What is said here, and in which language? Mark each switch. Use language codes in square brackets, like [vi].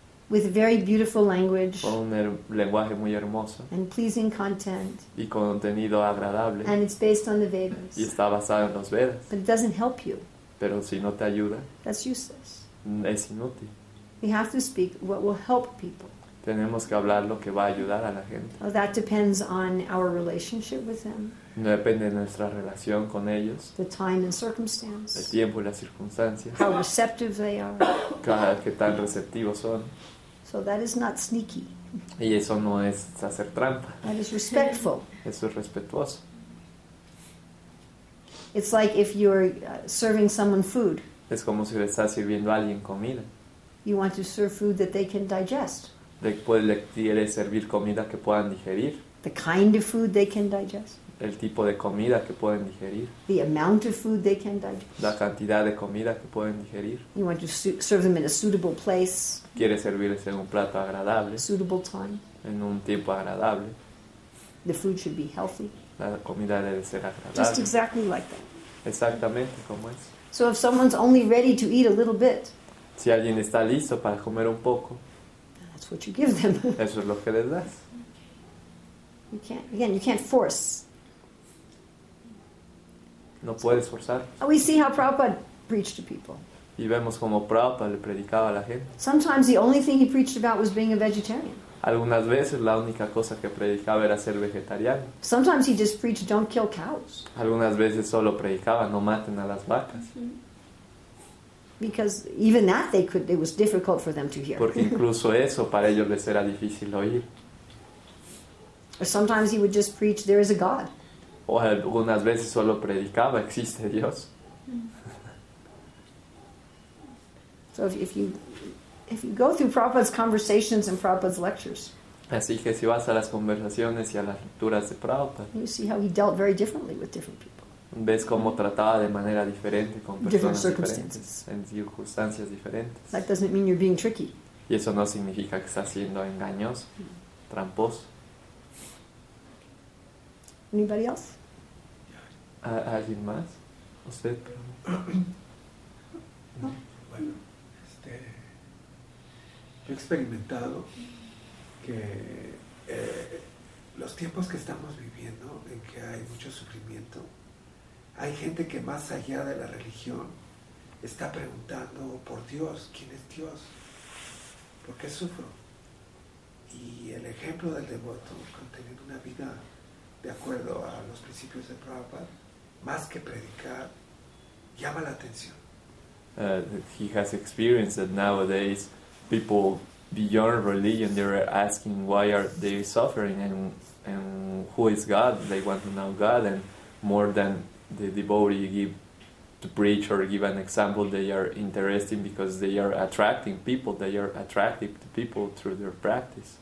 [en] With very beautiful language, [es] con un lenguaje muy hermoso, [en] and pleasing content, [es] y contenido agradable, [en] and it's based on the Vedas, [es] y está basado en los Vedas, [en] but it doesn't help you. [es] Pero si no te ayuda, [en] that's useless. [es] Es inútil. [en] We have to speak what will help people. [es] Tenemos que hablar lo que va a ayudar a la gente. [en] Well, that depends on our relationship with them. [es] No depende de nuestra relación con ellos. [en] The time and circumstance. [es] El tiempo y las circunstancias. [en] How receptive they are. [es] Qué tan receptivos son. [en] So that is not sneaky. [es] Y eso no es hacer trampa. [en] That is respectful. [es] Eso es respetuoso. [en] It's like if you're serving someone food. [es] Es como si le estás sirviendo a alguien comida. [en] You want to serve food that they can digest. [es] Le quiere servir comida que puedan digerir. [en] The kind of food they can digest. [es] El tipo de comida que pueden digerir. [en] The amount of food they can digest. [es] La cantidad de comida que pueden digerir. [en] You want to serve them in a suitable place. [es] Quiere servirles en un plato agradable. [en] A suitable time. [es] En un tiempo agradable. [en] The food should be healthy. [es] La comida debe ser agradable. [en] Just exactly like that. [es] Exactamente como es. [en] So if someone's only ready to eat a little bit. [es] Si alguien está listo para comer un poco. [en] That's what you give them. [es] Eso es lo que les das. [en] You can't force. [es] No puedes forzar. [en] We see how Prabhupada preached to people. [es] Y vemos cómo Prabhupada le predicaba a la gente. [en] Sometimes the only thing he preached about was being a vegetarian. [es] Algunas veces la única cosa que predicaba era ser vegetariano. [en] Sometimes he just preached don't kill cows. [es] Algunas veces solo predicaba no maten a las vacas. [en] Because even that they could, it was difficult for them to hear. [es] Porque incluso eso para ellos les era difícil oír. [en] Or sometimes he would just preach there is a God. [es] O algunas veces solo predicaba, existe Dios. [en] So if you go through Prabhupada's conversations and Prabhupada's lectures. [es] Así que si vas a las conversaciones y a las lecturas de Prabhupada. [en] You see how he dealt very differently with different people. [es] Ves cómo trataba de manera diferente con personas [en] different circumstances. [es] Diferentes, en circunstancias diferentes. [en] That doesn't mean you're being tricky. [es] Y eso no significa que estás siendo engañoso, tramposo. [en] Anybody else? [es] ¿Alguien más? ¿Usted? Bueno, yo he experimentado que los tiempos que estamos viviendo, en que hay mucho sufrimiento, hay gente que más allá de la religión está preguntando por Dios, ¿quién es Dios? ¿Por qué sufro? Y el ejemplo del devoto, con tener una vida de acuerdo a los principios de Prabhupada, más que predicar, llama la atención. [en] He has experienced that nowadays people beyond religion, they're asking why are they suffering and who is God. They want to know God, and more than the devotee give to preach or give an example, they are interesting because they are attracting people, they are attractive to people through their practice.